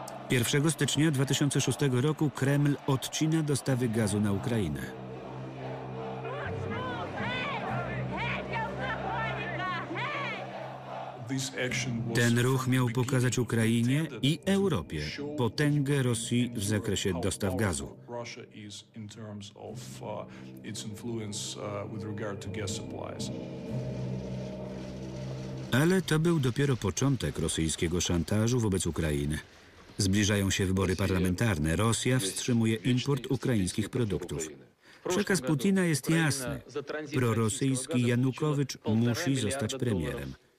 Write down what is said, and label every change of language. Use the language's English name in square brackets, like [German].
[Polish] 1 stycznia 2006 roku Kreml odcina dostawy gazu na Ukrainę. Ten ruch miał pokazać Ukrainie i Europie potęgę Rosji w zakresie dostaw gazu. [English] Russia is in terms of its influence with regard to gas supplies. [Polish] Ale to był dopiero początek rosyjskiego szantażu wobec Ukrainy. Zbliżają się wybory parlamentarne. Rosja wstrzymuje import ukraińskich produktów. Przekaz Putina jest jasny. Prorosyjski Janukowycz musi zostać premierem.